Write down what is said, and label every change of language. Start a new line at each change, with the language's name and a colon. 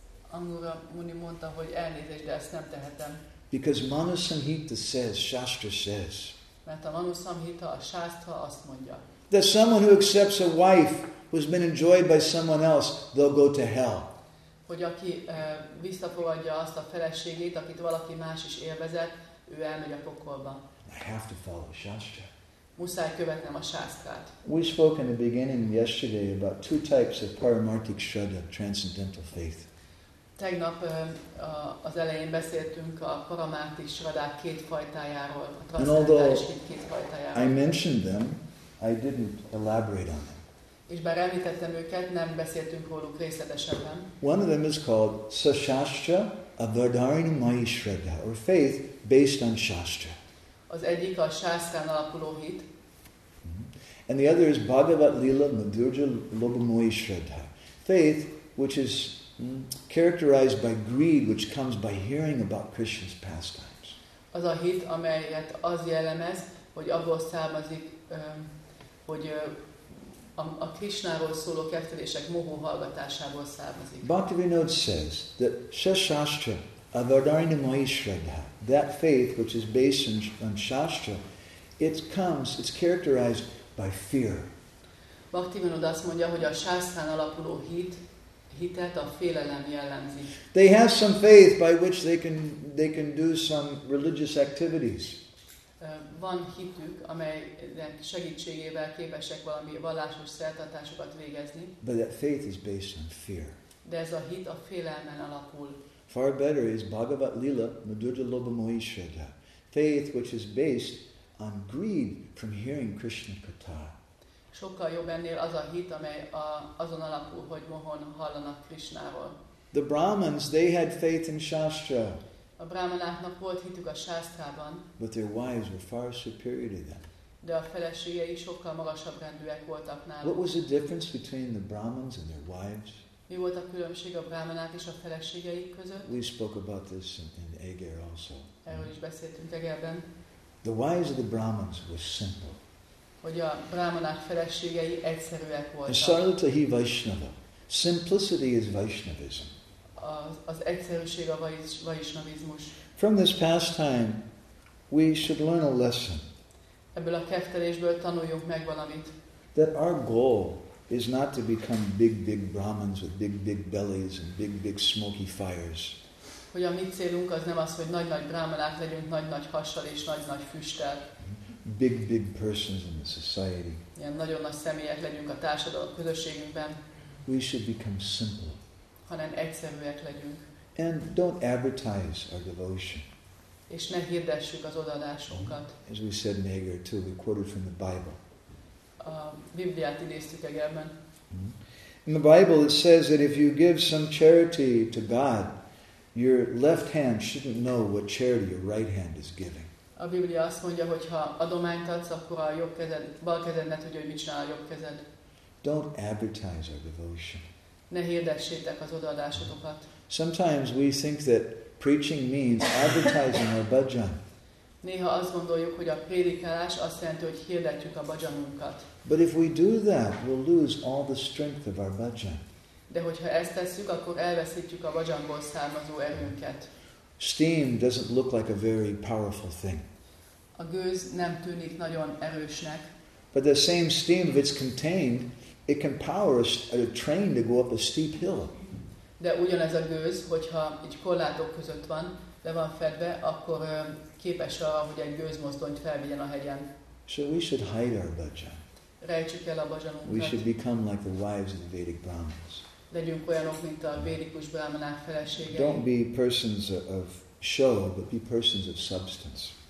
Hungarian: Angira Muni mondta, hogy elnézést, de ezt nem tehetem.
English: Because Manusamhita says, Shastra says,
Hungarian: mert a Manusamhita, a Shastra azt mondja,
English: that someone who accepts a wife who's been enjoyed by someone else, they'll go to hell.
Hungarian: Hogy aki visszafogadja azt a feleségét, akit valaki más is élvezett, ő elmegy a pokolba.
English: I have to follow Shastra.
Hungarian: Muszáj követnem a Shastrát.
English: We spoke in the beginning yesterday about two types of paramarthik shraddha, transcendental faith.
Hungarian: Tegnap az elején beszéltünk a paramarthik shraddhák két fajtájáról, a transzcendentális hit két fajtájáról.
English: I mentioned them, I didn't elaborate on them.
Hungarian: És bár említettem őket, nem beszéltünk róluk részletesebben.
English: One of them is called Sashastra Avadharinamayi Shraddha, or faith based on Shastra.
Hungarian: Az egyik a Shastrán alapuló hit.
English: And the other is Bhagavat Lila Madhurja Lobamoyi Shraddha, faith which is characterized by greed, which comes by hearing about Krishna's pastimes.
Hungarian: Az a hit, amelyet az jellemez, hogy abból származik, hogy a Krishnáról szóló kertelések mohó hallgatásából származik.
English: Bhaktivinoda says that Sashastra Avadharinamayi Shraddha, that faith which is based on Shastra, it's characterized by fear.
Hungarian: Bhaktivinoda azt mondja, hogy a Shastrán alapuló hitet a félelem jellemzi.
English: They have some faith by which they can do some religious activities.
Hungarian: Van hitük, amelynek segítségével képesek valami vallásos szertartásokat végezni.
English: But that faith is based on fear.
Hungarian: De ez a hit a félelmen alapul.
English: Far better is Bhagavat Lila Madhurja Lobamoyi Shraddha, faith which is based on greed from hearing Krishna Katha.
Hungarian: Sokkal jobb ennél az a hit, amely azon alapul, hogy mohon hallanak Krishnáról.
English: The Brahmins, they had faith in Shastra.
Hungarian: A brahmanáknak volt hitük a Shastrában.
English: But their wives were far superior to them.
Hungarian: De a feleségei sokkal magasabb rendűek voltak náluk.
English: What was the difference between the Brahmins and their wives?
Hungarian: Mi volt a különbség a brahmanák és a feleségeik között?
English: We spoke about this in Eger also.
Hungarian: Erről is beszéltünk Egerben.
English: The wives of the Brahmins were simple.
Hungarian: Hogy a brahmanák feleségei egyszerűek voltak.
English: Sarvatahi Vaishnava. Simplicity is Vaishnavism.
Hungarian: Az egyszerűség a vaishnavizmus.
English: From this pastime, we should learn a lesson.
Hungarian: Ebből a keftelésből tanuljunk meg valamit.
English: That our goal is not to become big, big Brahmins with big, big bellies and big, big smoky fires.
Hungarian: Hogy a mi célunk az nem az, hogy nagy-nagy brahmanák legyünk, nagy-nagy hassal és nagy-nagy füsttel.
English: Big, big persons in the society.
Hungarian: Ilyen nagyon nagy személyek legyünk a társadalom közösségünkben.
English: We should become simple.
Hungarian: Hanem egyszerűek legyünk.
English: And don't advertise our devotion.
Hungarian: És ne hirdessük az odaadásunkat.
English: As we said in Eger too, we quoted from the Bible.
Hungarian: A Bibliát idéztük Egerben.
English: In the Bible it says that if you give some charity to God, your left hand shouldn't know what charity your right hand is giving.
Hungarian: A Biblia azt mondja, hogy ha adományt adsz, akkor a jobb kezed, bal kezed ne tudja, hogy mit csinál a jobb kezed.
English: Don't advertise our devotion.
Hungarian: Ne hirdessétek az odaadásokat.
English: Sometimes we think that preaching means advertising our bhajan.
Hungarian: Néha azt gondoljuk, hogy a prédikálás azt jelenti, hogy hirdetjük a bhajanunkat.
English: But if we do that, we'll lose all the strength of our bhajan.
Hungarian: De hogyha ezt tesszük, akkor elveszítjük a bhajanból származó erőnket.
English: Steam doesn't look like a very powerful thing.
Hungarian: A gőz nem tűnik nagyon erősnek.
English: But the same steam, if it's contained, it can power a train to go up a steep hill.
Hungarian: De ugyanez a gőz, hogyha egy korlátok között van, le van fedve, akkor képes arra, hogy egy gőzmozdonyt felvigyen a hegyen.
English: So we should hide our bhajan.
Hungarian: Rejtsük el a bhajanunkat.
English: We should become like the wives of the Vedic Brahmins.
Hungarian: Legyünk olyanok, mint a védikus brahmanák feleségei.
English: Don't be persons of show, but be persons of substance.